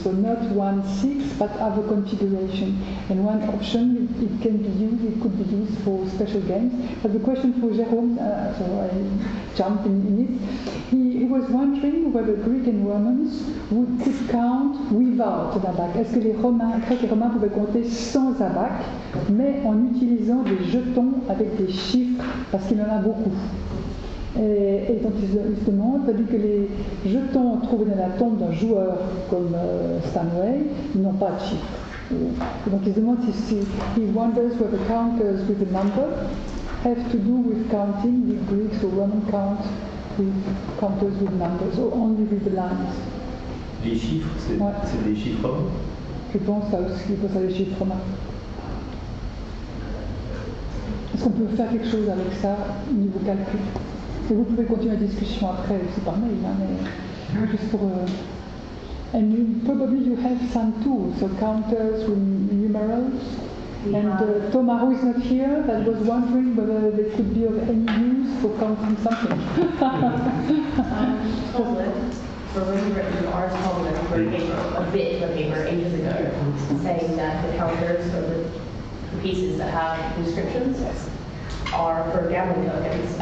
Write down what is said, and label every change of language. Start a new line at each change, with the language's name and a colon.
English: So not 1-6, but other configuration. And one option, it can be used, it could be used for special games. But the question for Jérôme, so I jump in it. He was wondering whether Greek and Romans could count without an abaque.
French: Est-ce que les Romains, Grecs et Romains pouvaient compter sans abaque, mais en utilisant des jetons avec des chiffres, parce qu'il y en a beaucoup. Et donc il se demande, tandis que les jetons trouvés dans la tombe d'un joueur comme Stanway, ils n'ont pas de chiffres. Et donc il se demande si
English: he wonders whether counters with a number have to do with counting, the Greeks or Roman count with counters with numbers, or only with the lines.
French: Les chiffres, c'est des chiffres romains. Je pense à aussi qu'il pense à des chiffres romains. Est-ce qu'on peut faire quelque chose avec ça au niveau calcul? Et vous pouvez continuer la discussion après, c'est par mail, hein, mais juste pour.
English: And you, probably you have some tools, so counters with numerals. Yeah. And Thomas, who is not here, that was wondering whether they could be of any use for counting something. For when you wrote an article ages ago, saying that the counters or the pieces that have inscriptions are for gambling tokens.